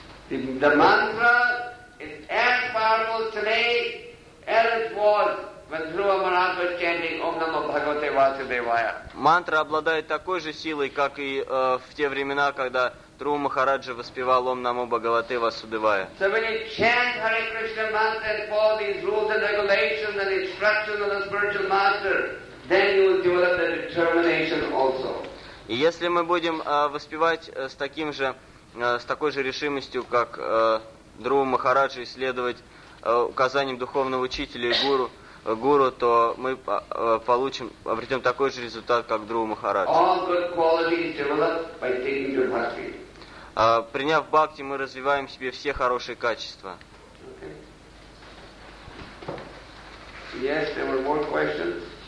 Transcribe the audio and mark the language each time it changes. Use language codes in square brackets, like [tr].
[en] The mantra is as powerful today as it was when Dhruva Maharaj was chanting Om Namo Bhagavate Vasudevaya. [ru] Мантра обладает такой же силой, как и в те времена, когда Дхрува Махараджа воспевал Ом Намо Бхагавате Васудевая. [en] So when you chant Hare Krishna mantra and follow these rules and regulations and instructions of the spiritual master, then you will develop the determination also. [ru] И если мы будем воспевать с таким же, с такой же решимостью, как Дхрува Махараджа, и следовать указаниям духовного учителя и гуру, то мы получим, обретем такой же результат, как Дхрува Махараджа. [en] All good qualities develop by taking your bhakti. [ru] Приняв бхакти, мы развиваем в себе все хорошие качества. [en] Okay. Yes, there were more questions.